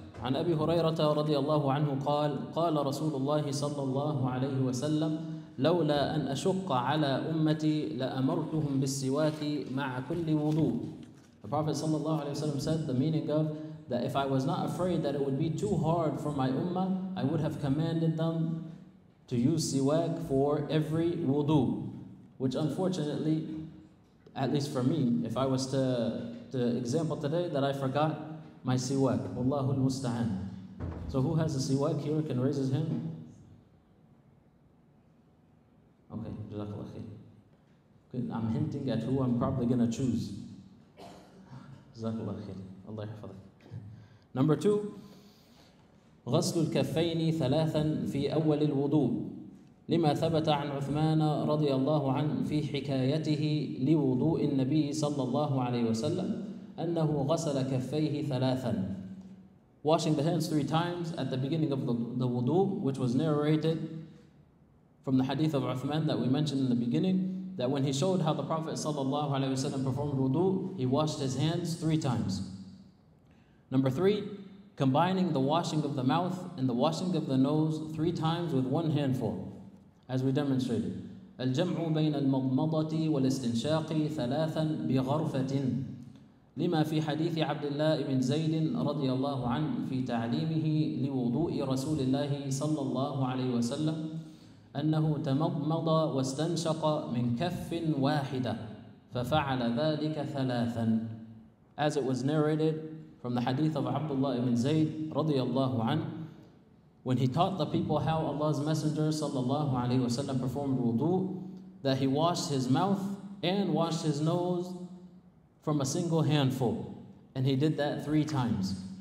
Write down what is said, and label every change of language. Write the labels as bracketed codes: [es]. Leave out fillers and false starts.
[ar] عن أبي هريرة رضي الله عنه قال قال رسول الله صلى الله عليه وسلم لولا أن أشق على أمتي لأمرتهم بالسواك مع كل وضوء. [en] The Prophet sallallahu alaihi wasallam said the meaning of that if I was not afraid that it would be too hard for my ummah, I would have commanded them to use siwak for every wudu. Which unfortunately, at least for me, if I was to example today that I forgot my siwak, [ar] Wallahu al-musta'an. [en] So who has a siwak here? Can raise his hand? Okay, jazakallah khair. I'm hinting at who I'm probably gonna choose. Jazakallah khair. Allah yahfazak. Number two, [ar] غسل الكفين ثلاثا في أول الوضوء لما ثبت عن عثمان رضي الله عنه في حكايته لوضوء النبي صلى الله عليه وسلم أنه غسل كفيه ثلاثا. [en] Washing the hands three times at the beginning of the wudu, which was narrated from the hadith of Uthman that we mentioned in the beginning, that when he showed how the Prophet صلى الله عليه وسلم performed wudu, he washed his hands three times. Number three, combining the washing of the mouth and the washing of the nose three times with one handful, as we demonstrated. [ar] الجمع بين المضمضة والاستنشاق ثلاثا بغرفة لما في حديث عبد الله بن زيد رضي الله عنه في تعليمه لوضوء رسول الله صلى الله عليه وسلم أنه تمضمض واستنشق من كف واحدة ففعل ذلك ثلاثا. [en] As it was narrated from the hadith of Abdullah ibn Zayd radiyallahu an, when he taught the people how Allah's Messenger sallallahu alayhi wa sallam performed wudu, that he washed his mouth and washed his nose from a single handful, and he did that three times.